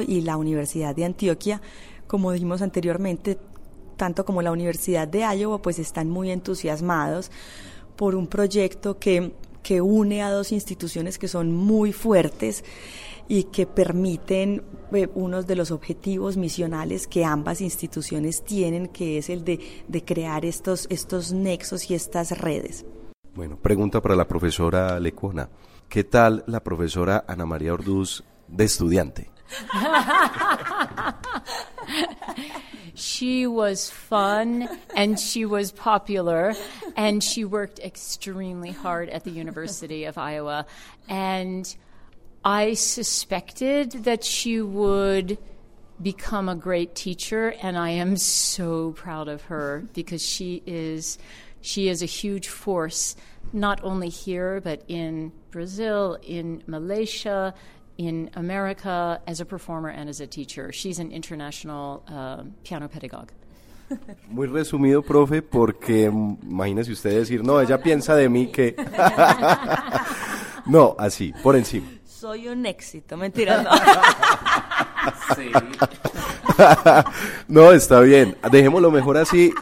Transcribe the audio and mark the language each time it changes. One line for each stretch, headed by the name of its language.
Spanish: Y la Universidad de Antioquia, como dijimos anteriormente, tanto como la Universidad de Iowa, pues están muy entusiasmados por un proyecto que une a dos instituciones que son muy fuertes y que permiten unos de los objetivos misionales que ambas instituciones tienen, que es el de crear estos nexos y estas redes. Bueno, pregunta para la profesora Lecuona. ¿Qué tal la profesora Ana María Orduz de estudiante?
English: She was fun and she was popular and she worked extremely hard at the University of Iowa, and I suspected that she would become a great teacher, and I am so proud of her because she is a huge force, not only here but in Brazil, in Malaysia, in America, as a performer and as a teacher. She's an international piano pedagogue.
Spanish: Muy resumido, profe, porque imagínese usted decir, no, ella piensa de mí que... No, así, por encima. Soy un éxito, mentira, no. No, está bien, dejémoslo mejor así.